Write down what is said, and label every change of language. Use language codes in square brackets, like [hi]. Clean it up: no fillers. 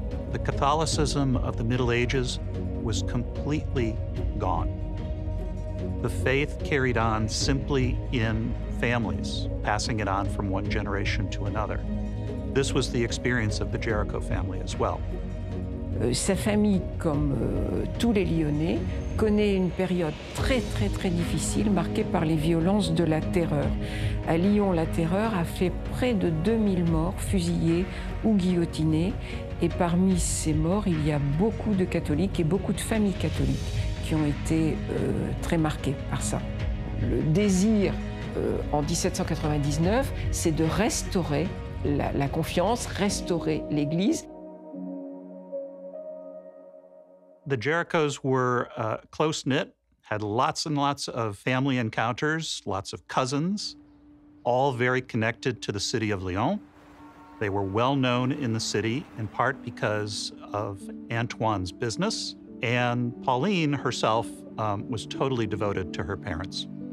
[en] The Catholicism of the Middle Ages was completely gone. The faith carried on simply in families, passing it on from one generation to another. This was the experience of the Jaricot family as well. [fr] Sa famille, comme tous les Lyonnais, connaît une période très, très, très difficile, marquée par les violences de la terreur. À Lyon, la terreur a fait près de 2000 morts, fusillés ou guillotinés. Et parmi ces morts, il y a beaucoup de catholiques et beaucoup de familles catholiques qui ont été très marquées par ça. Le désir, en 1799, c'est de restaurer la confiance, restaurer l'Église. [en] The Jaricots were close-knit, had lots and lots of family encounters, lots of cousins, all very connected to the city of Lyon. They were well-known in the city, in part because of Antoine's business, and Pauline herself was totally devoted to her parents.